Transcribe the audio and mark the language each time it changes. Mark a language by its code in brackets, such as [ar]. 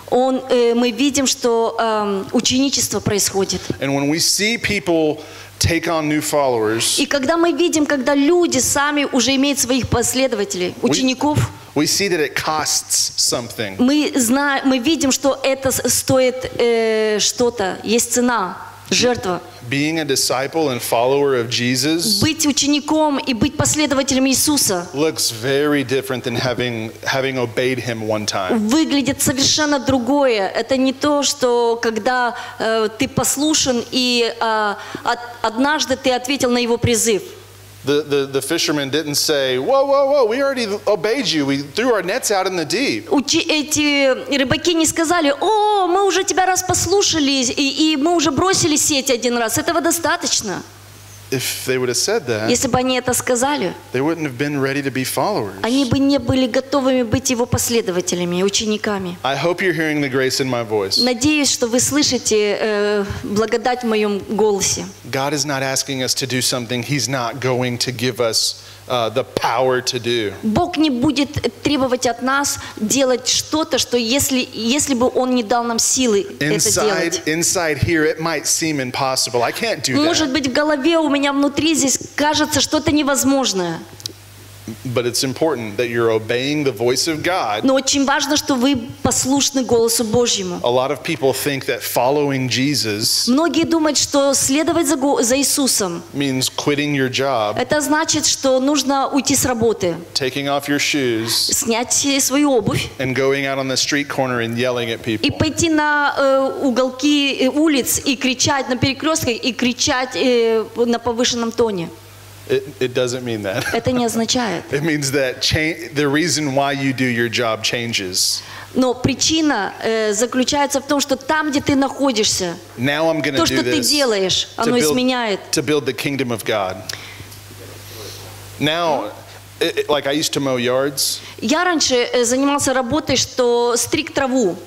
[ru] Он, мы видим, что ученичество происходит. [en] And when we see people take on new followers. [ru] И когда мы видим, когда люди сами уже имеют своих последователей, учеников. [en] We see that it costs something. [ru] Мы знаем, мы видим, что это стоит что-то. Есть цена, жертва. [en] Being a disciple and follower of Jesus. [ru] Быть учеником и быть последователем Иисуса. [en] Looks very different than having obeyed him one time. [ru] Выглядит совершенно другое. Это не то, что когда ты послушен и однажды ты ответил на его призыв. [en] The fishermen didn't say, "Whoa, whoa, whoa! We already obeyed you. We threw our nets out in the deep." [ru] Эти рыбаки не сказали: "О, мы уже тебя раз послушали и мы уже бросили сеть один раз. Этого достаточно." [en] If they would have said that, [ru] если бы они это сказали, [en] they wouldn't have been ready to be followers. [ru] Они бы не были готовыми быть его последователями, учениками. [en] I hope you're hearing the grace in my voice. [ru] Надеюсь, что вы слышите благодать в моем голосе. [en] God is not asking us to do something He's not going to give us the power to do. [ru] Бог не будет требовать от нас делать что-то, что если бы Он не дал нам силы [en] inside, [ru] это делать. [en] Inside here, it might seem impossible. I can't do that. [ru] Может быть, в голове у меня внутри здесь кажется что-то невозможное. [en] But it's important that you're obeying the voice of God. [ru] Но очень важно, что вы послушны голосу Божьему. [en] A lot of people think that following Jesus. [ru] Многие думают, что следовать за Иисусом. [en] Means quitting your job. [ru] Это значит, что нужно уйти с работы. [en] Taking off your shoes. [ru] Снять свою обувь. [en] And going out on the street corner and yelling at people. [ru] И пойти на уголки улиц и кричать на перекрестках и кричать на повышенном тоне. [en] It doesn't mean that. [ru] Это не означает. [en] It means that the reason why you do your job changes. [ru] Но причина заключается в том, что там, где ты находишься, [en] now I'm gonna [ru] то, что ты делаешь, оно build, изменяет. [en] To build the kingdom of God. Now, like I used to mow yards. [ru] Я раньше занимался работой, что стриг траву.